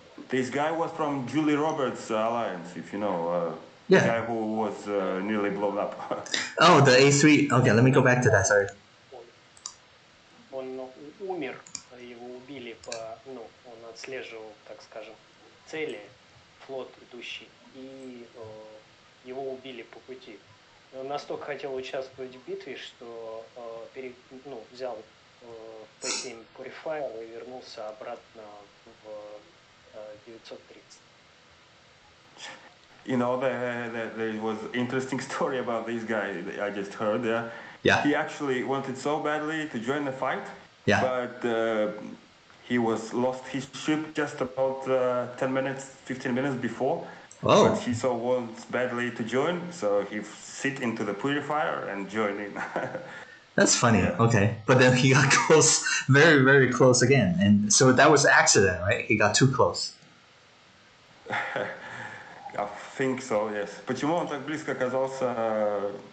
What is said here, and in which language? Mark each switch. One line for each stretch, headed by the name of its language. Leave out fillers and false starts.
English: This guy was from Julie Roberts Alliance, if you know. Yeah. The guy who was nearly blown up. Oh, the A3. Okay, let me go back to that, sorry.
Russian: Он умер, его убили по... Ну, он отслеживал, так скажем, цели, флот идущий, и его убили по пути. Настолько хотел участвовать в битве, что взял P7 Purifier и вернулся обратно в 930.
English: You know, there was interesting story about this guy that I just heard. Yeah. Yeah. He actually wanted so badly to join the fight. Yeah. But he was lost his ship just about 15 minutes before. Oh. But he so wants badly to join, so he sit into the purifier and join in. That's funny. Yeah. Okay, but then he got close, very very close again, and so that was accident, right? He got too close. I think so. Yes.
Russian: Почему он так близко оказался?